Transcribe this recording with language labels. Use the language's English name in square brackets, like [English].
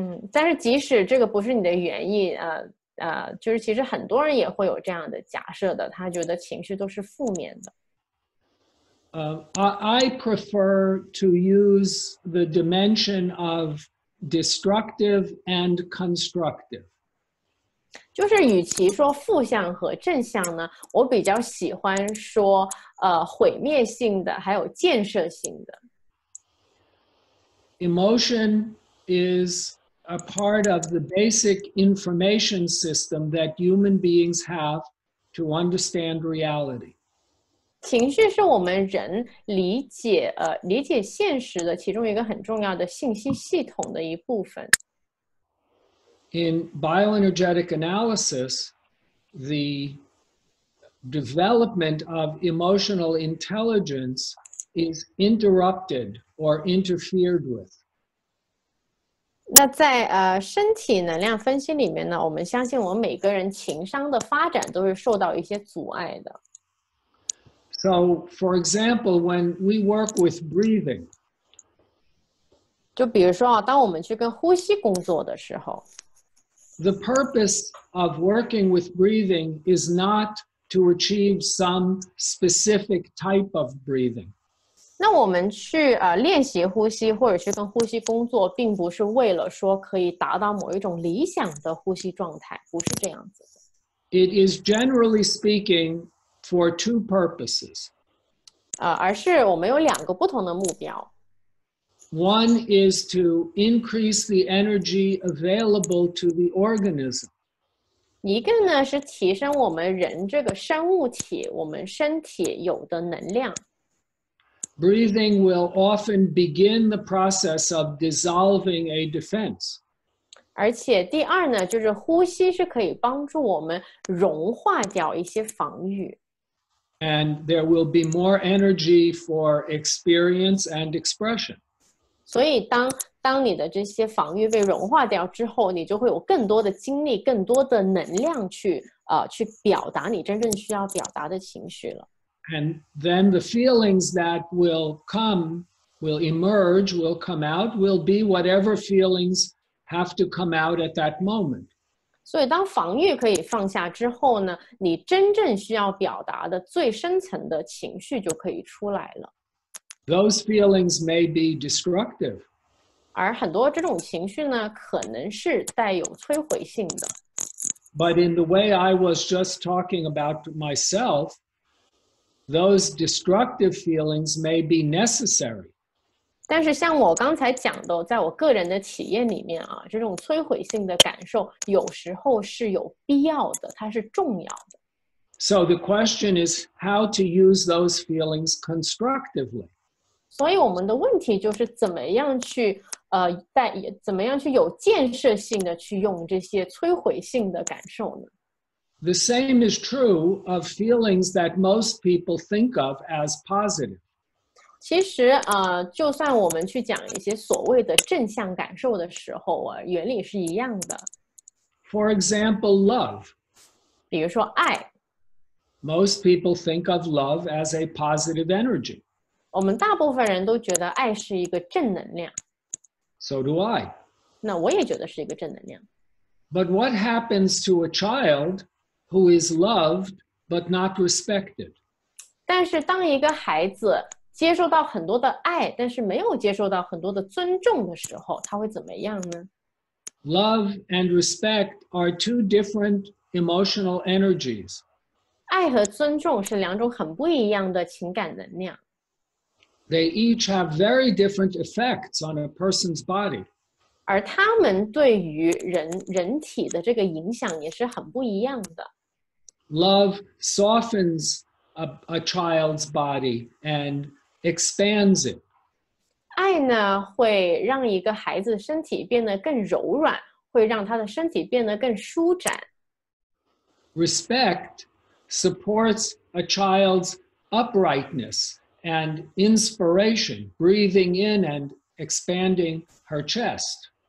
[Chinese] 但是即使这个不是你的原意就是其实很多人也会有这样的假设的他觉得情绪都是负面的。 [English] I prefer to use the dimension of destructive and constructive. [Chinese] 就是与其说负向和正向呢我比较喜欢说毁灭性的还有建设性的。 [English] Emotion is a part of the basic information system that human beings have to understand reality. [Chinese] 情绪是我们人理解现实的其中一个很重要的信息系统的一部分。 [English] In bioenergetic analysis, the development of emotional intelligence is interrupted or interfered with. [Chinese] 那在身体能量分析里面呢，我们相信我们每个人情商的发展都是受到一些阻碍的。 [English] So, for example, when we work with breathing, [Chinese] 就比如说啊，当我们去跟呼吸工作的时候， [English] the purpose of working with breathing is not to achieve some specific type of breathing. [Chinese] 那我们去练习呼吸或者去跟呼吸工作，并不是为了说可以达到某一种理想的呼吸状态，不是这样子的。 [English] It is generally speaking,For two purposes. [Chinese] 而是我们有两个不同的目标。 [English] One is to increase the energy available to the organism. [Chinese] 一个呢是提升我们人这个生物体，我们身体有的能量。 [English] Breathing will often begin the process of dissolving a defense. [Chinese] 而且第二呢，就是呼吸是可以帮助我们融化掉一些防御。 [English] And there will be more energy for experience and expression. [Chinese] 所以当你的这些防御被融化掉之后，你就会有更多的精力，更多的能量去表达你真正需要表达的情绪了。 [English] And then the feelings that will come, will emerge, will come out, will be whatever feelings have to come out at that moment. [Chinese] 所以当防御可以放下之后呢，你真正需要表达的最深层的情绪就可以出来了。 [English] Those feelings may be destructive. [Chinese] 而很多这种情绪呢，可能是带有摧毁性的。 [English] But in the way I was just talking about myself, those destructive feelings may be necessary. [Chinese] 但是像我刚才讲的，在我个人的体验里面啊，这种摧毁性的感受有时候是有必要的，它是重要的。 [English] So the question is how to use those feelings constructively. [Chinese] 所以我们的问题就是怎么样去怎么样去有建设性的去用这些摧毁性的感受呢？ [English] The same is true of feelings that most people think of as positive. [Chinese] 其实就算我们去讲一些所谓的正向感受的时候啊，原理是一样的。 [English] For example, love. [Chinese] 比如说爱。 [English] Most people think of love as a positive energy. [Chinese] 我们大部分人都觉得爱是一个正能量。 [English] So do I. [Chinese] 那我也觉得是一个正能量。 [English] But what happens to a child who is loved but not respected? [Chinese] 但是当一个孩子接受到很多的爱，但是没有接受到很多的尊重的时候，他会怎么样呢？ [English] Love and respect are two different emotional energies. [Chinese] 爱和尊重是两种很不一样的情感能量。 [English] They each have very different effects on a person's body. [Chinese] 而他们对于人体的这个影响也是很不一样的。 [English] Love softens a child's body and expands it. [Chinese] 爱呢会让一个孩子身体变得更柔软，会让他的身体变得更舒展。 [English] Respect supports a child's uprightness and inspiration, breathing in and expanding her chest.